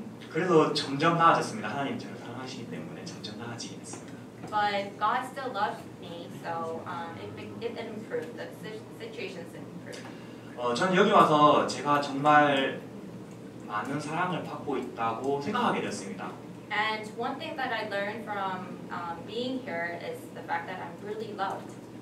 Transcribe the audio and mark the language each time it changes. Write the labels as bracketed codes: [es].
[ko] 그래도 점점 나아졌습니다. 하나님 저를 사랑하시기 때문에 점점 나아지긴 했습니다. [en] But God still loved me, so it improved. The situations improved. [ko] 전 여기 와서 제가 정말 많은 사랑을 받고 있다고 생각하게 됐습니다. [en] And one thing that I learned from being here is the fact that I'm really loved.